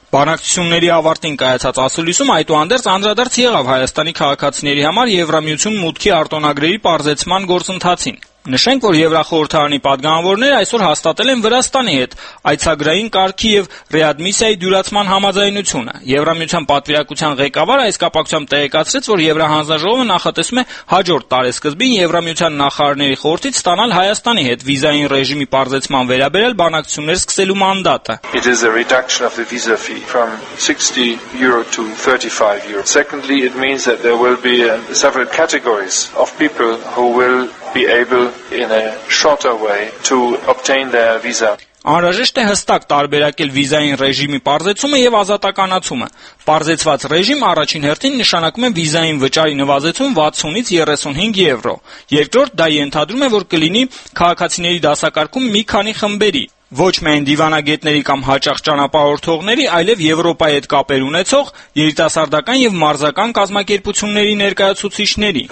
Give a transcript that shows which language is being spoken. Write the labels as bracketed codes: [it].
[hy] Բանակցությունների ավարտին կայացած ասուլիսում այդուհանդերձ անդրադարձ եղավ Հայաստանի քաղաքացիների համար Եվրամիություն մուտքի արտոնագրերի պարզեցման գործընթացին։ Նշենք, որ Եվրախորհրդարանի պատգամավորները այսօր հաստատել են Վրաստանի հետ այցագրային կարգի և ռեադմիսիայի դյուրացման համաձայնությունը։ Եվրամիության պատվիրակության ղեկավարը այս կապակցությամբ տեղեկացրեց, որ Եվրահանձնաժողովը նախատեսում է հաջորդ տարեսկզբին Եվրամիության նախարարների խորհրդից ստանալ Հայաստանի հետ վիզային ռեժիմի պարզեցման վերաբերյալ բանակցություններ սկսելու մանդատը։ [en] It is a reduction of the visa fee from 60 euro to 35 euro. Secondly, it means that there will be several categories of people who will be able in a shorter way to obtain their visa. [hy] Անհրաժեշտ է հստակ տարբերակել վիզային ռեժիմի պարզեցումը և ազատականացումը։ Պարզեցված ռեժիմ առաջին հերթին նշանակում է վիզային վճարի նվազեցում 60-ից 35 եվրո։ Երկրորդ դա ենթադրում է, որ կլինի քաղաքացիների դասակարգում մի քանի խմբերի, ոչ միայն դիվանագետների կամ հաճախ ճանապարհորդողների, այլև Եվրոպայի հետ կապեր ունեցող երիտասարդական և մարզական կազմակերպությունների ներկայացուցիչների։